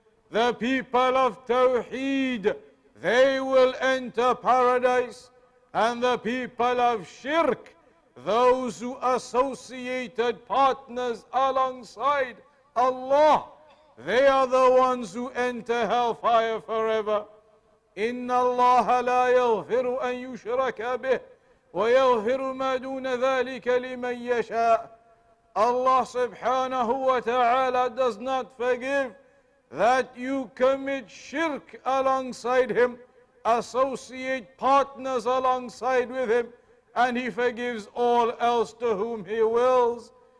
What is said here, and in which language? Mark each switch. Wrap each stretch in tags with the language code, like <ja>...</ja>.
<en>The people of Tawheed, they will enter paradise, and the people of Shirk, those who associated partners alongside Allah, they are the ones who enter hellfire forever.</en> <ar>إن الله لا يغفر أن يشرك به ويغفر ما دون ذلك لمن يشاء.</ar> <en>Allah subhanahu wa ta'ala does not forgive that you commit shirk alongside him, associate partners alongside with him, and he forgives all else to whom he wills.</en>